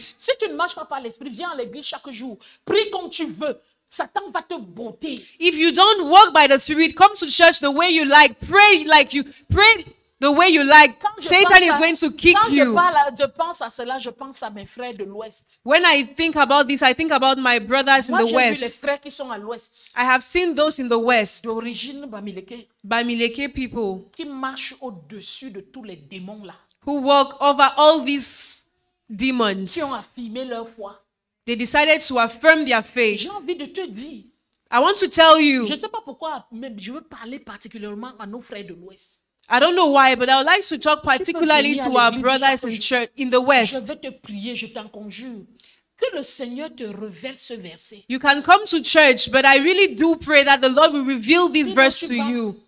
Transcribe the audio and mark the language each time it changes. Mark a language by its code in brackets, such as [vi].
[fr] Si tu ne marches pas par l'esprit, viens à l'église chaque jour. Prie comme tu veux. Satan va te botter. [en] If you don't walk by the Spirit, come to church the way you like. Pray like you pray the way you like. Satan is going to kick you. [fr] Quand je pense à cela, je pense à mes frères de l'Ouest. [en] When I think about this, I think about my brothers in the West. [fr] Moi, j'ai vu les frères qui sont à l'Ouest. [en] I have seen those in the West. [fr] D'origine Bamileke. [en] Bamileke people [fr] qui marchent au-dessus de tous les démons là. [en] Who walk over all these demons. [fr] Qui ont affirmé leur foi. [en] They decided to affirm their faith. [fr] J'ai envie de te dire. [en] I want to tell you. [fr] Je sais pas pourquoi, mais je veux parler particulièrement à nos frères de l'Ouest. [en] I don't know why, but I would like to talk particularly to our brothers in church in the West. [fr] Je veux te prier, je t'en conjure, que le Seigneur te révèle ce verset. [en] You can come to church, but I really do pray that the Lord will reveal this verse to you.